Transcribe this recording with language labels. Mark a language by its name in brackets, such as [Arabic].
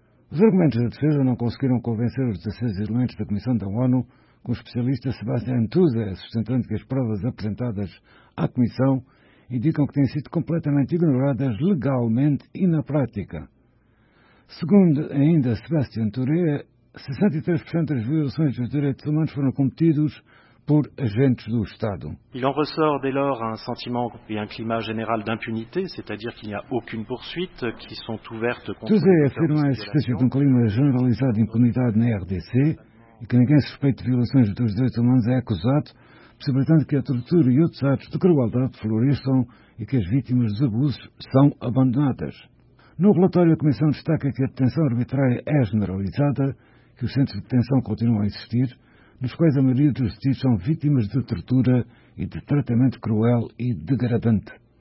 [Portuguese] Os argumentos da defesa não conseguiram convencer os 16 elementos da Comissão da ONU, com o especialista Sebastián Tuza, sustentando que as provas apresentadas à Comissão indicam que têm sido completamente ignoradas legalmente e na prática. Segundo ainda Sebastián Tuza, 63% das violações dos direitos humanos foram cometidos por agentes do Estado. [French] Il en ressort dès lors un sentiment et un climat général d'impunité, c'est-à-dire qu'il n'y a aucune poursuite qui sont ouvertes contre. [Portuguese] Tuzé afirma a existência de um clima generalizado de impunidade na RDC e que ninguém suspeito de violações dos direitos humanos é acusado, possibilitando que a tortura e outros atos de crueldade floresçam e que as vítimas dos abusos são abandonadas. No relatório, a Comissão destaca que a detenção arbitrária é generalizada, que os centros de detenção continuam a existir, nos quais a maioria dos detidos são vítimas de tortura e de tratamento cruel e degradante.